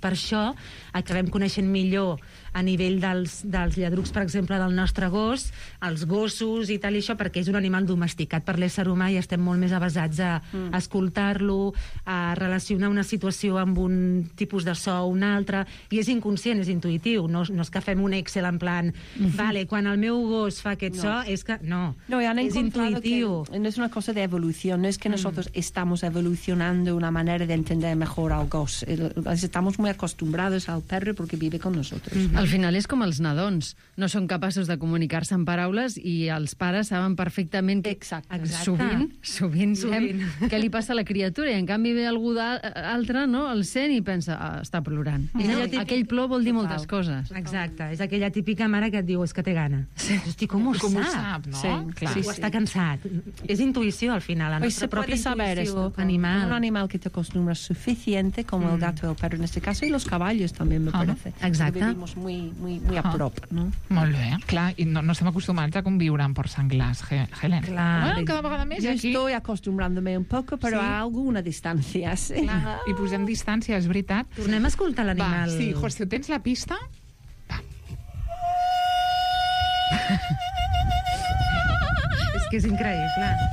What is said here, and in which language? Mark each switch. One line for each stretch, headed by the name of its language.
Catalan: Per això acabem coneixent millor a nivell dels lladrucs, per exemple, del nostre gos, els gossos i tal i això, perquè és un animal domesticat per l'ésser humà i estem molt més avesats a escoltar-lo, a relacionar una situació amb un tipus de so o un altre, i és inconscient, és intuïtiu, no és que fem un Excel en plan, vale, quan el meu gos fa aquest so, és que no és intuïtiu. No és una cosa d'evolució, no és que
Spanish: nosotros estamos evolucionando
Catalan: una manera d'entendre
Spanish: mejor al gos. Estamos muy acostumbrados al perro porque vive con nosotros. Mm-hmm.
Catalan: Al final és com els nadons. No són capaços de comunicar-se amb paraules i els pares saben perfectament que sovint què li passa a la criatura. I en canvi ve algú d'altre, no? El sent i pensa, ah, està plorant. Mm-hmm. Aquell plor vol dir moltes coses. Exacte. És aquella típica mare que et diu, és que té gana. Hosti, com ho sap? Com ho sap, no? Sí, clar. Sí, sí. O està cansat. És intuïció, al final. Oi, se pot saber això. Animal.
Spanish: Un animal que t'acostumbra suficient com el gato o el perro, en este caso, i los caballos també, me parece.
Catalan: Exacte.
Spanish: Vivimos muy, muy, muy a prop, no?
Catalan: Molt bé. Clar, i no estem acostumats a conviure amb porcs senglars, Helen. Clar. Bueno, cada vegada més,
Spanish: yo aquí... Yo estoy acostumbrándome un poco, pero sí. A alguna distancia, sí.
Catalan: Clar. I posem distància, és veritat. Tornem a escoltar l'animal. Va, sí, José, tens la pista? Va. És que és increïble.